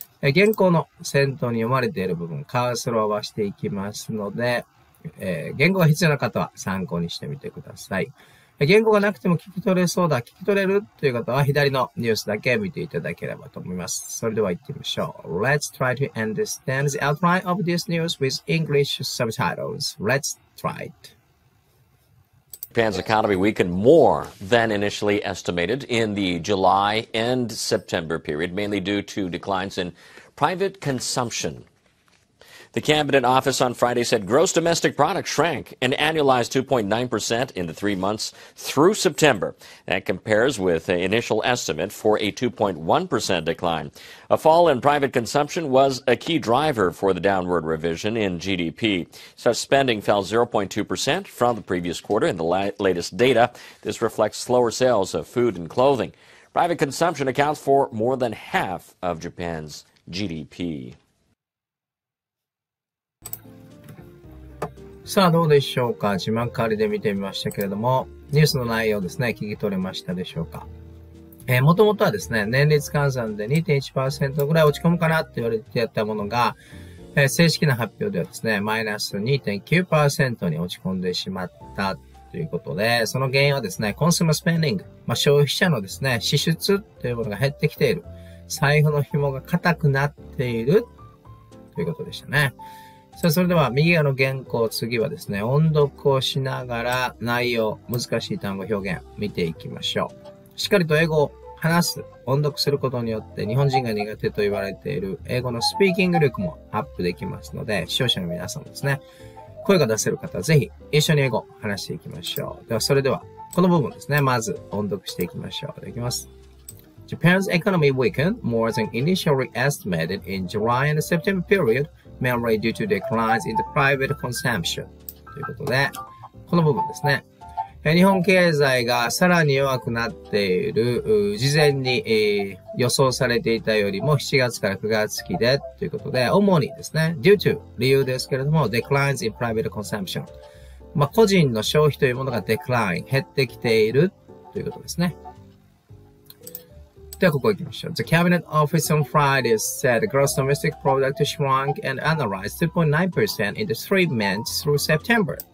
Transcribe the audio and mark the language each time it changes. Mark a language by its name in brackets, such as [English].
[Japanese] 原稿の先頭に読まれている部分、カーソルを合わせていきますので、言語が必要な方は参考にしてみてください。言語がなくても聞き取れそうだ、聞き取れるという方は左のニュースだけ見ていただければと思います。それでは行ってみましょう。 [English] Let's try to understand the outline of this news with English subtitles. Let's try it. Japan's economy weakened more than initially estimated in the July and September period, mainly due to declines in private consumption. The Cabinet Office on Friday said gross domestic product shrank an annualized 2.9% in the 3 months through September. That compares with an initial estimate for a 2.1% decline. A fall in private consumption was a key driver for the downward revision in GDP. Such spending fell 0.2% from the previous quarter in the latest data. This reflects slower sales of food and clothing. Private consumption accounts for more than half of Japan's GDP. [Japanese] さあどうでしょうか。字幕借りで見てみましたけれども、ニュースの内容ですね、聞き取れましたでしょうか。もともとはですね、年率換算で 2.1% ぐらい落ち込むかなって言われてやったものが、正式な発表ではですね、マイナス 2.9% に落ち込んでしまったということで、その原因はですね、コンスーマースペンディング、まあ、消費者のですね、支出というものが減ってきている、財布の紐が固くなっているということでしたね。さあ、それでは右側の原稿、次はですね、音読をしながら内容、難しい単語表現見ていきましょう。しっかりと英語を話す、音読することによって日本人が苦手と言われている英語のスピーキング力もアップできますので、視聴者の皆さんもですね、声が出せる方はぜひ一緒に英語を話していきましょう。ではそれではこの部分ですね、まず音読していきましょう。できます。 [English] Japan's economy weakened more than initially estimated in July and September period. Mainly due to declines in the private consumption. [Japanese] ということで、この部分ですね。日本経済がさらに弱くなっている、事前に、予想されていたよりも7月から9月期でということで、主にですね、 due to 理由ですけれども、 declines in private consumption。まあ、個人の消費というものが decline、減ってきているということですね。ではここ行きましょう。 The Cabinet Office on Friday said gross domestic product shrunk and analyzed 2.9% in the 3 months through September.